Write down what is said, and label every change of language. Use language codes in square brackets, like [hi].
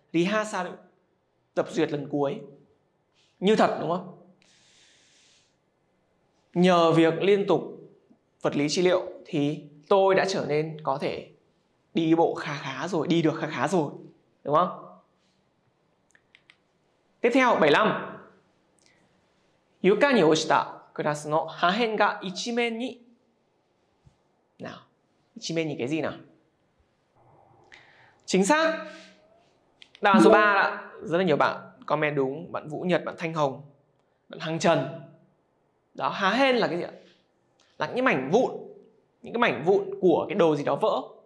[vi] Rehearsal, tập duyệt lần cuối. Như thật đúng không? Nhờ việc liên tục vật lý trị liệu thì tôi đã trở nên có thể đi bộ khá khá rồi, đi được khá khá rồi. Đúng không? Tiếp theo, 75. [ja] 床に落ちたグラスの破片が一面に。 [vi] Nào, 一面に cái gì nào? Chính xác. Đáp án số 3 đó. Rất là nhiều bạn comment đúng. Bạn Vũ Nhật, bạn Thanh Hồng, bạn Hằng Trần. Đó, há hên là cái gì ạ? Là những mảnh vụn, những cái mảnh vụn của cái đồ gì đó vỡ.